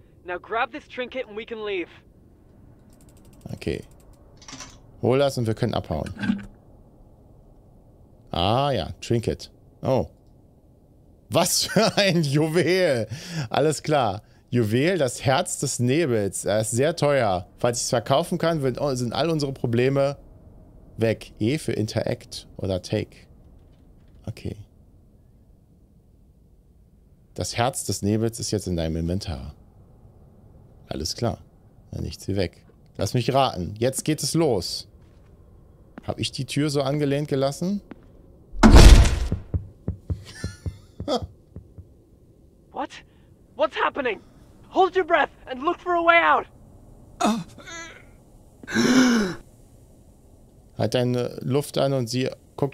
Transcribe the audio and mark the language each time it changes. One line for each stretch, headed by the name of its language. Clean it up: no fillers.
English: Now grab this trinket and we can leave. Okay.
German: Hol das und wir können abhauen. Ah ja, Trinket. Oh. Was für ein Juwel. Alles klar. Juwel, das Herz des Nebels. Er ist sehr teuer. Falls ich es verkaufen kann, sind all unsere Probleme weg. E für Interact oder Take. Okay. Das Herz des Nebels ist jetzt in deinem Inventar. Alles klar. Dann ich zieh weg. Lass mich raten. Jetzt geht es los. Habe ich die Tür so angelehnt gelassen?
English: What? What's happening? Hold your breath and look for a way out.
German: Halt deine Luft an und sieh, guck,